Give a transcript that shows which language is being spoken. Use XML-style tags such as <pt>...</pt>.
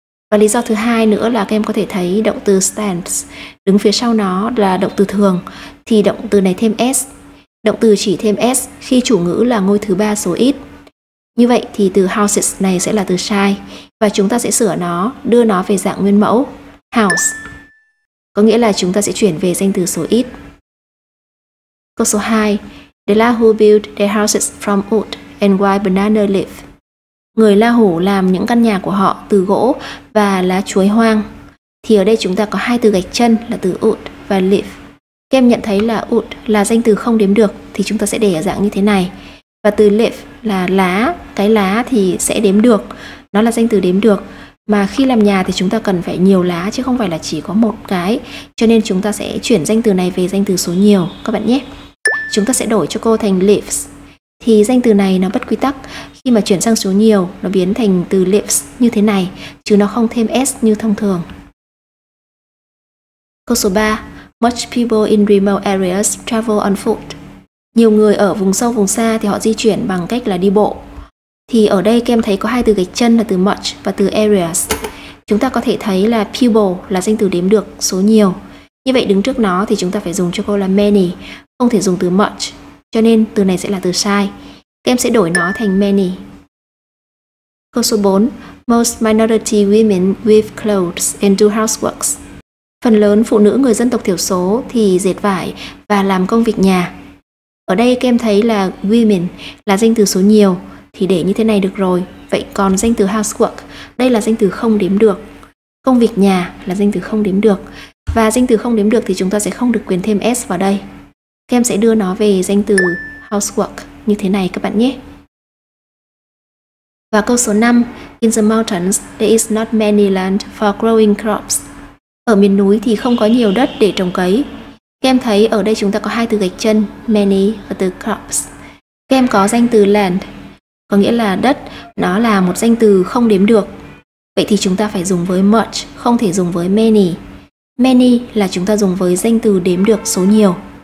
<vi>Và lý do thứ hai nữa là các em có thể thấy động từ stands đứng phía sau nó là động từ thường, thì động từ này thêm s. Động từ chỉ thêm s khi chủ ngữ là ngôi thứ ba số ít. Như vậy thì từ houses này sẽ là từ sai và chúng ta sẽ sửa nó, đưa nó về dạng nguyên mẫu, house. Có nghĩa là chúng ta sẽ chuyển về danh từ số ít. Câu số 2.</vi> <en>The Lahu built their houses from wood and white banana leaf.</en> <vi>Người La Hủ làm những căn nhà của họ từ gỗ và lá chuối hoang. Thì ở đây chúng ta có hai từ gạch chân là từ wood và leaf. Các em nhận thấy là wood là danh từ không đếm được thì chúng ta sẽ để ở dạng như thế này. Và từ leaf là lá, cái lá thì sẽ đếm được. Nó là danh từ đếm được. Mà khi làm nhà thì chúng ta cần phải nhiều lá chứ không phải là chỉ có một cái. Cho nên chúng ta sẽ chuyển danh từ này về danh từ số nhiều các bạn nhé. Chúng ta sẽ đổi cho cô thành leaves. Thì danh từ này nó bất quy tắc. Khi mà chuyển sang số nhiều, nó biến thành từ leaves như thế này, chứ nó không thêm s như thông thường. Câu số 3.</vi> <en>Much people in remote areas travel on foot.</en> <vi>Nhiều người ở vùng sâu vùng xa thì họ di chuyển bằng cách là đi bộ. Thì ở đây các em thấy có hai từ gạch chân là từ much và từ areas. Chúng ta có thể thấy là people là danh từ đếm được số nhiều. Như vậy đứng trước nó thì chúng ta phải dùng cho cô là many, không thể dùng từ much. Cho nên từ này sẽ là từ sai. Các em sẽ đổi nó thành many. Câu số 4.</vi> <en>Most minority women weave clothes and do houseworks.</en> <vi>Phần lớn phụ nữ người dân tộc thiểu số thì dệt vải và làm công việc nhà. Ở đây các em thấy là women là danh từ số nhiều thì để như thế này được rồi. Vậy còn danh từ housework, đây là danh từ không đếm được. Công việc nhà là danh từ không đếm được. Và danh từ không đếm được thì chúng ta sẽ không được quyền thêm s vào đây. Các em sẽ đưa nó về danh từ housework như thế này các bạn nhé. Và câu số 5.</vi> <en>In the mountains, there is not many land for growing crops.</en> <vi>Ở miền núi thì không có nhiều đất để trồng cấy. Các em thấy ở đây chúng ta có hai từ gạch chân, many và từ crops. Các em có danh từ land, có nghĩa là đất, nó là một danh từ không đếm được. Vậy thì chúng ta phải dùng với much, không thể dùng với many. Many là chúng ta dùng với danh từ đếm được số nhiều.</vi>